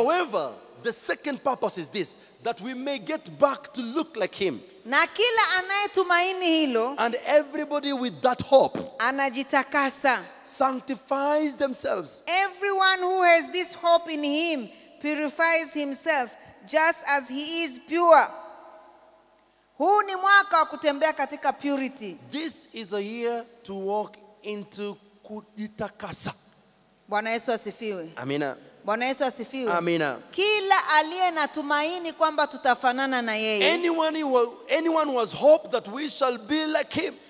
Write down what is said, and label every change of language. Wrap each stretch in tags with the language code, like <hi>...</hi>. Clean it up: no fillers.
<en>However, the second purpose is this, that we may get back to look like him.</en> <sw>Na kila anayetumaini hilo,</sw> <en>and everybody with that hope,</en> <sw>anajitakasa,</sw> <en>sanctifies themselves. Everyone who has this hope in him purifies himself just as he is pure.</en> <sw>Huu ni mwaka wa kutembea katika purity.</sw> <en>This is a year to walk into</en> <sw>kujitakasa. Bwana Yesu asifiwe. Amina. Bwana Yesu asifiwe. Amina. Kila aliye na tumaini kwamba tutafanana na yeye.</sw> <en>Anyone who has hope that we shall be like him.</en>